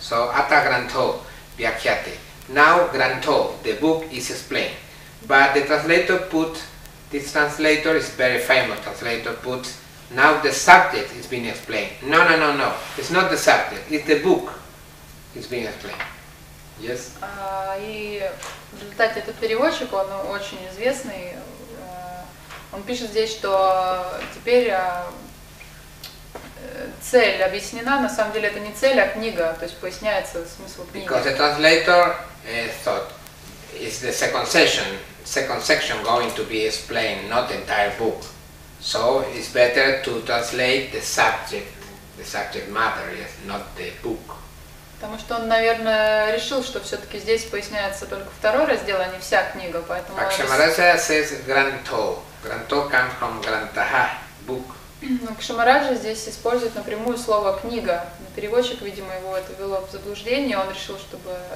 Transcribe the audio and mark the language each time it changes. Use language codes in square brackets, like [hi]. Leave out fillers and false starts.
[en] So, [sa] ata granto vyakhyate. [en] Now, granto, the book is explained. But the translator put, this translator is very famous, translator put, now the subject is being explained. No. It's not the subject, it's the book is being explained. Yes. [ru] И в результате этот переводчик, он очень известный, он пишет здесь, что теперь цель объяснена, на самом деле это не цель, а книга, то есть поясняется смысл книги. [en] Because the translator thought is the second section going to be explained, not the entire book. So it's better to translate the subject matter, yes, not the book. [ru] Потому что он, наверное, решил, что все-таки здесь поясняется только второй раздел, а не вся книга, поэтому... [en] Кшамараджа says granto. Granto comes from grantaha, book. [ru] Но Кшамараджа здесь использует напрямую слово книга. Переводчик, видимо, его это ввело в заблуждение, он решил, чтобы...